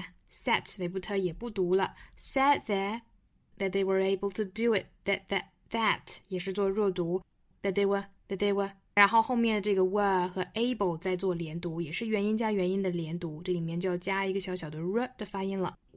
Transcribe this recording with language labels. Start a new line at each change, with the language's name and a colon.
Chinese: Set, 尾部特也不读了。
English: Sat there, that they were able to do it. That,
Chinese: 也是做弱读。
English: That they were.
Chinese: 然后后面这个 were 和 able 再做连读，也是元音加元音的连读。这里面就要加一个小小的 r 的发音了。